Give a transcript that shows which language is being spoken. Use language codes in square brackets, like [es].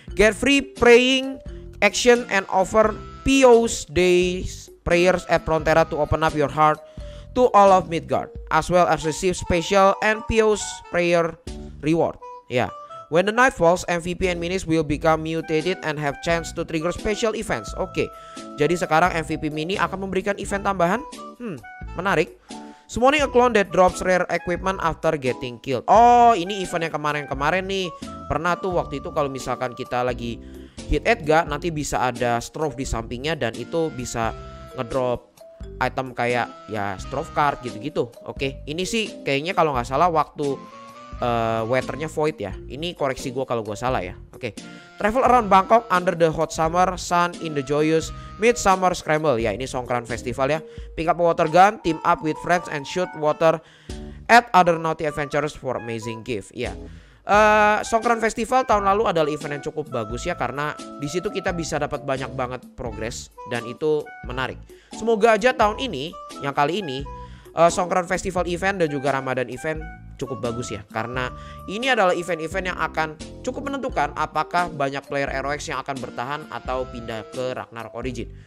[en] Get free praying action and offer POS days prayers at Frontera to open up your heart to all of Midgard, as well as receive special and POS prayer reward. Yeah. When the night falls, MVP and minis will become mutated and have chance to trigger special events. [id] Oke, jadi sekarang MVP mini akan memberikan event tambahan. Menarik. [en] Summoning a clone that drops rare equipment after getting killed. [id] Oh, ini event yang kemarin-kemarin nih. Pernah tuh waktu itu kalau misalkan kita lagi hit Edgar, nanti bisa ada strove di sampingnya dan itu bisa ngedrop item kayak ya strove card gitu-gitu. Oke, ini sih kayaknya kalau nggak salah waktu weather-nya void ya. Ini koreksi gue kalau gue salah ya. [en] Oke. Okay. Travel around Bangkok under the hot summer sun in the joyous midsummer scramble. [id] Ya, ini Songkran Festival ya. [en] Pick up a water gun, team up with friends and shoot water at other naughty adventurers for amazing gift. Ya. [id] Songkran Festival tahun lalu adalah event yang cukup bagus ya, karena di situ kita bisa dapat banyak banget progres dan itu menarik. Semoga aja tahun ini, yang kali ini Songkran Festival event dan juga Ramadan event cukup bagus ya, karena ini adalah event-event yang akan cukup menentukan apakah banyak player ROX yang akan bertahan atau pindah ke Ragnarok Origin.